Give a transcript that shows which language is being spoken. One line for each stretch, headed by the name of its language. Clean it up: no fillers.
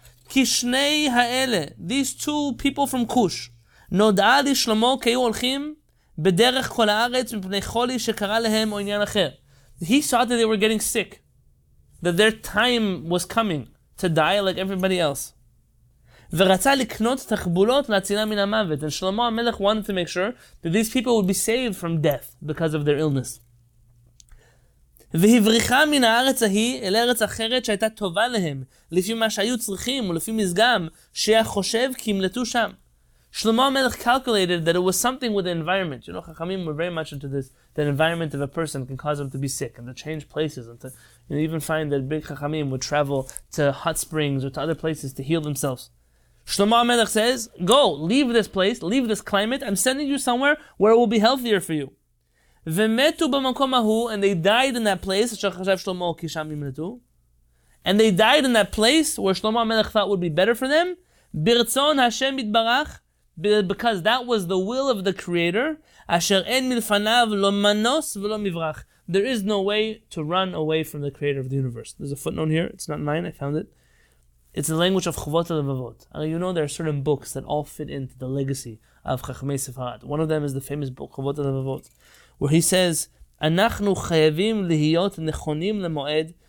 Hebrew: כי שני האלה,
English: these two people from Kush,
Hebrew: נודעה לי שלמה כי הולכים בדרך כל הארץ מפני חולי שקרה להם או עניין אחר.
English: He saw that they were getting sick, that their time was coming to die like everybody else.
Hebrew: ורצה לקנות תחבולות להצילה מן המוות.
English: And Shlomo HaMelech wanted to make sure that these people would be saved from death because of their illness.
Hebrew: והבריחה מן הארץ ההיא אל ארץ אחרת שהייתה טובה להם, לפי מה שהיו צריכים ולפי מזגם, שהיה חושב כי ימלטו שם.
English: Shlomo HaMelech calculated that it was something with the environment. You know, Chachamim were very much into this. The environment of a person can cause them to be sick and to change places. And to, you know, even find that big Chachamim would travel to hot springs or to other places to heal themselves. Shlomo HaMelech says, go, leave this place, leave this climate. I'm sending you somewhere where it will be healthier for you.
Hebrew: ומתו במקום ההוא,
English: and they died in that place,
Hebrew: אשר חשב שלמה כי שם ימלטו.
English: And they died in that place where Shlomo HaMelech thought would be better for them.
Hebrew: ברצון השם יתברך,
English: because that was the will of the Creator,
Hebrew: אשר אין מלפניו לא מנוס ולא מברך.
English: There is no way to run away from the Creator of the universe. There's a footnote here, it's not mine, I found it. It's the language of Chuvot HaLevavot. You know there are certain books that all fit into the legacy of Chachmei Sefarad. One of them is the famous book, Chuvot HaLevavot, where he says,
Hebrew: "Anachnu chayavim lihiyot nechonim lemoed."